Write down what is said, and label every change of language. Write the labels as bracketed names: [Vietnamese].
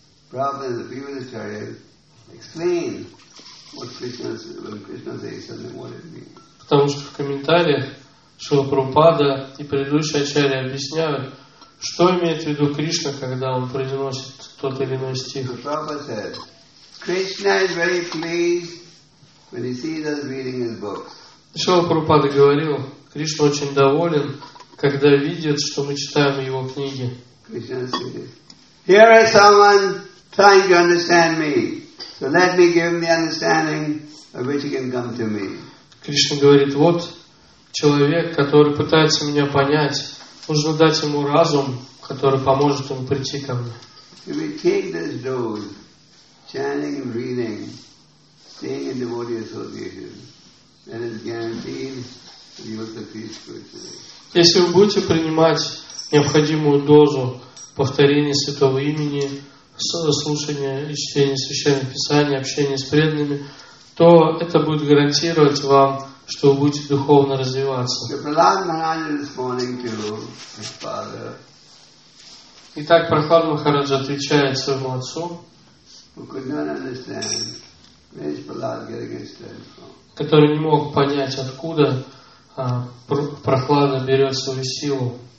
[English] Prabhupada, the previous acharya, explained what Krishna said, when Krishna says something, what it means. [Russian] Потому что в комментариях Шрила Прабхупада и предыдущие ачарьи объясняют, что имеет в виду Кришна, когда он произносит тот или иной стих. [English] Prabhupada said, Krishna is very pleased when he sees us reading his books. [Russian] Шрила Прабхупада говорил, Кришна очень доволен, когда видит, что мы читаем его книги. [English] Krishna said, here is someone trying to understand me. So let me give him the understanding of which he can come to me. [Russian] Кришна говорит, вот человек, который пытается меня понять, нужно дать ему разум, который поможет ему прийти ко мне. [English] If we take this dose, chanting and reading, staying in devotee association, then it's guaranteed that you will succeed spiritually. [Russian] Если вы будете принимать необходимую дозу повторение святого имени, слушание и чтение священных писаний, общение с преданными, то это будет гарантировать вам, что вы будете духовно развиваться. Итак, Прохлад Махарадж отвечает своему отцу, который не мог понять, откуда Прохлада берет свою силу.